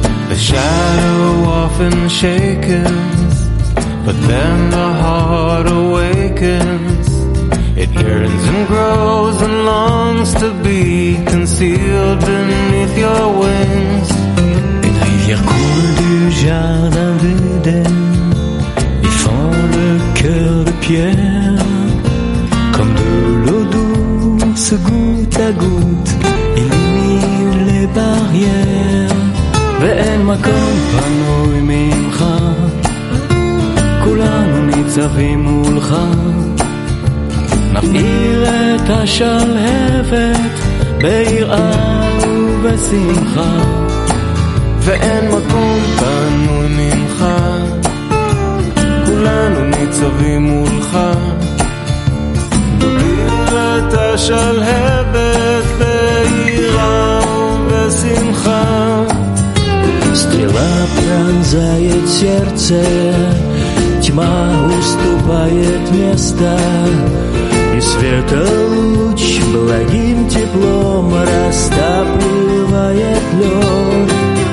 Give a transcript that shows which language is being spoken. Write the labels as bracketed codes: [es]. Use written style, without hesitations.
[en] The shadow often shakens, but then the heart awakens. It yearns and grows and longs to be concealed beneath your wings. [fr] Une rivière coule du jardin d'Eden, y fond le cœur de pierre. Comme de l'eau douce, goutte à goutte, illumine les barrières. [he] ואין מקום פנוי ממך, כולנו ניצבים מולך. נפעיל את השלהבת ביראה ובשמחה. ואין מקום פנוי ממך, כולנו ניצבים מולך. נפעיל את השלהבת ביראה ובשמחה. [ru] Стрела пронзает сердце, тьма уступает место, и света луч благим теплом растапливает лед.